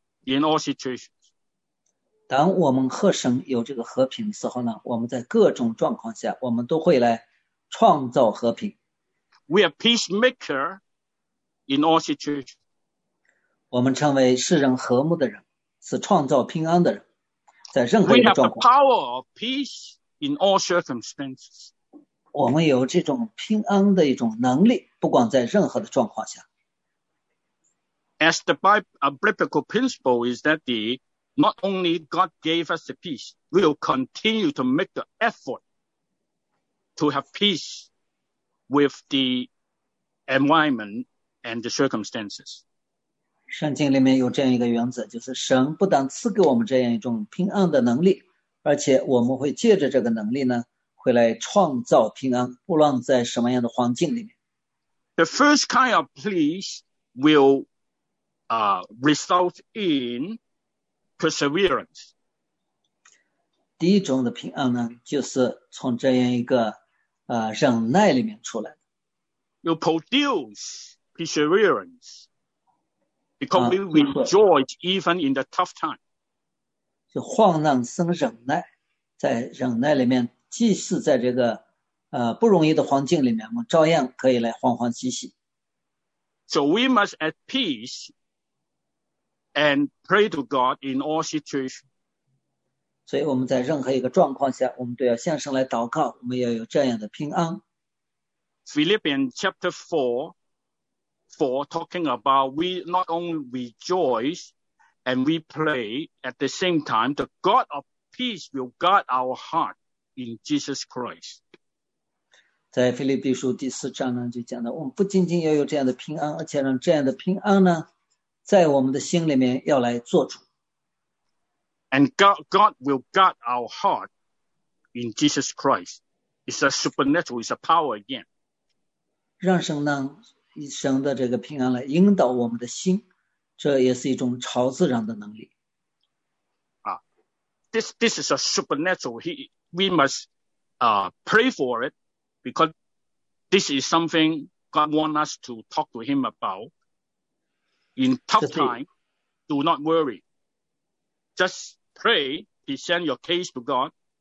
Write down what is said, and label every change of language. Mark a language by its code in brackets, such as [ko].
[en] In all situations. [zh] 当我们和神有这个和平的时候呢，我们在各种状况下，我们都会来创造和平。 [en] We are peacemaker in all situations. [zh] 我们称为世人和睦的人，是创造平安的人。在任何一个状况 [en] We have the power of peace in all circumstances. [zh] 我们有这种平安的一种能力，不管在任何的状况下。 [en] As the biblical principle is that the, not only God gave us the peace, we will continue to make the effort to have peace with the environment and the circumstances. [zh] 圣经里面有这样一个原则，就是神不但赐给我们这样一种平安的能力，而且我们会借着这个能力呢，会来创造平安，不论在什么样的环境里面。 [en] The first kind of peace will, result in perseverance. [zh] 第一种的平安呢，就是从这样一个忍耐里面出来的。 [en] You produce perseverance, becoming rejoiced even in the tough time. [zh] 就患难生忍耐，在忍耐里面，即使在这个不容易的环境里面，我们照样可以来欢欢喜喜。 [en] So we must at peace and pray to God in all situations. [zh] 所以我们在任何一个状况下，我们都要向神来祷告，我们要有这样的平安。 [en] Philippians chapter 4 talking about we not only rejoice and we pray at the same time, the God of peace will guard our heart in Jesus Christ. [zh] 在腓立比书第四章呢，就讲到我们不仅仅要有这样的平安，而且让这样的平安呢，在我们的心里面要来做主。 [en] And God will guard our heart in Jesus Christ. It's a supernatural, it's a power again. [zh] 让神呢，以神的这个平安来引导我们的心，这也是一种超自然的能力。 [en] This is a supernatural. We must pray for it because this is something God wants us to talk to Him about. In tough time, do not worry. Just pray, present your case to God.